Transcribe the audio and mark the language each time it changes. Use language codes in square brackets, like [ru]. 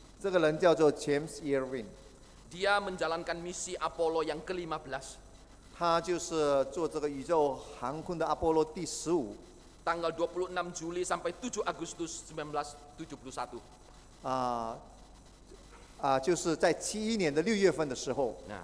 [zh] 这个人叫做 James Irwin. [id] Dia menjalankan misi Apollo yang ke-15. [zh] 他就是做这个宇宙航空的阿波罗第十五。 [id] Tanggal 26 Juli sampai 7 Agustus 1971. [zh] 就是在71年的6月份的时候。